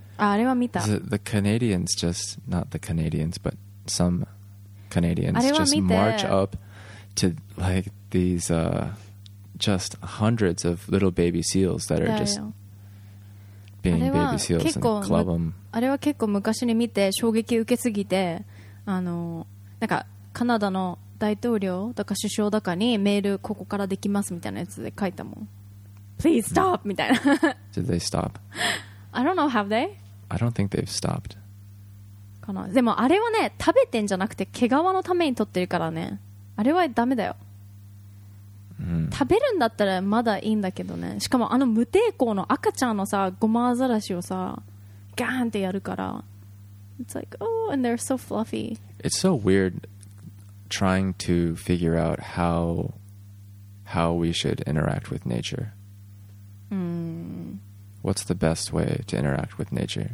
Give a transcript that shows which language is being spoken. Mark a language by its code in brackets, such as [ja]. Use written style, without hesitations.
[ja] あ、あれは見た。 [en] The Canadians just, not the Canadians, but some Canadians just march up to like these just hundreds of little baby seals that are just being baby seals and club them. [ja] あれは結構昔に見て衝撃受けすぎて、なんかカナダの大統領とか首相とかにメールここからできますみたいなやつで書いたもん。 [en] Please stop! [ja] みたいな。 [en] Did they stop? I don't know, have they? I don't think they've stopped. [ja] かな。でもあれはね、食べてんじゃなくて毛皮のために取ってるからね。あれはダメだよ。食べるんだったらまだいいんだけどね。しかも無抵抗の赤ちゃんのさ、ゴマアザラシをさ、ガーンってやるから。 [en] It's like, oh, and they're so fluffy. It's so weird. Trying to figure out how we should interact with nature. What's the best way to interact with nature?